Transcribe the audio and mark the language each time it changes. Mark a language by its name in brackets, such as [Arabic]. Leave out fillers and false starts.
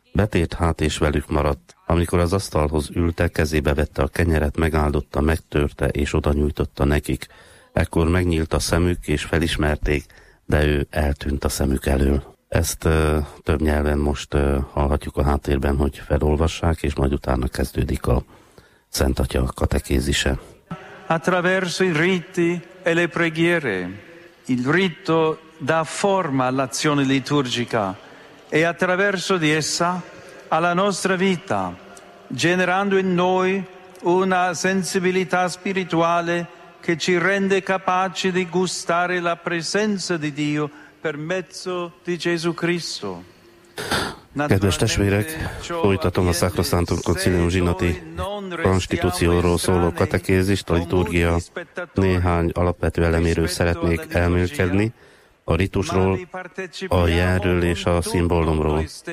[Hungarian] Betért hát, és velük maradt. Amikor az asztalhoz ültek, kezébe vette a kenyeret, megáldotta, megtörte, és oda nyújtotta nekik. Ekkor megnyílt a szemük, és felismerték, de ő eltűnt a szemük elől. Ezt több nyelven most hallhatjuk a háttérben, hogy felolvassák, és majd utána kezdődik a Szent Atya katekézise. [Italian] Attraverso i riti e le preghiere, il rito dà forma all'azione liturgica e attraverso di essa alla nostra vita, generando in noi una sensibilità spirituale che ci rende capaci di gustare la presenza di Dio per mezzo di Gesù Cristo. [Hungarian] Kedves testvérek, folytatom a Sacrosanctum Concilium zsinati konstitúcióról szóló katekézist. A liturgia néhány alapvető eleméről szeretnék elmélkedni: a ritusról, a jelről és a szimbólumról.